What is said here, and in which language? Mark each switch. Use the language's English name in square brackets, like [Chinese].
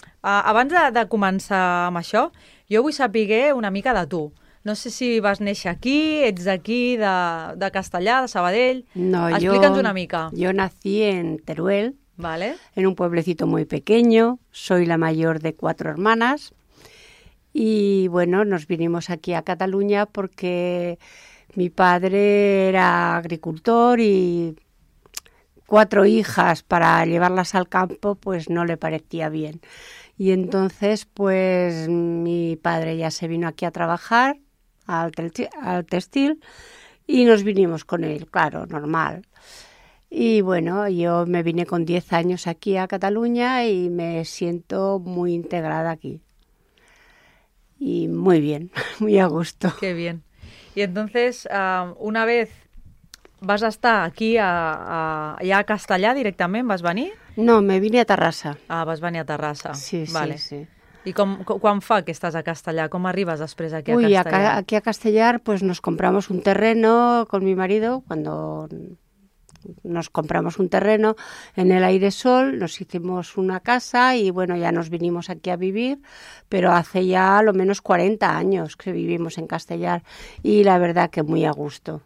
[Catalan] Abans de començar amb això, jo vull saber una mica de tu. No sé si vas néixer aquí, ets d'aquí, de Castellà, de Sabadell. No, explica'ns una mica. [Spanish] Jo nací en Teruel, ¿vale?, en un pueblecito muy pequeño. Soy la mayor de cuatro hermanas. Y bueno, nos vinimos aquí a Cataluña porque mi padre era agricultor y cuatro hijas para llevarlas al campo, pues no le parecía bien. Y entonces, pues mi padre ya se vino aquí a trabajar al textil y nos vinimos con él, claro, normal. Y bueno, yo me vine con 10 años aquí a Cataluña y me siento muy integrada aquí. Y muy bien, muy a gusto. Qué bien. [Catalan] Y entonces, una vez vas a estar aquí ya a Castellà directament, vas venir? [Spanish] No, me vine a Terrassa. [Catalan] Ah, vas venir a Terrassa. Sí, vale. Sí. I quan fa que estàs a Castellà? Com arribes després aquí a Castellà? [Spanish] Ui, aquí a Castellà pues nos compramos un terreno con mi marido, cuando nos compramos un terreno en el aire sol, nos hicimos una casa y bueno, ya nos vinimos aquí a vivir, pero hace ya lo menos 40 años que vivimos en Castellar y la verdad que muy a gusto,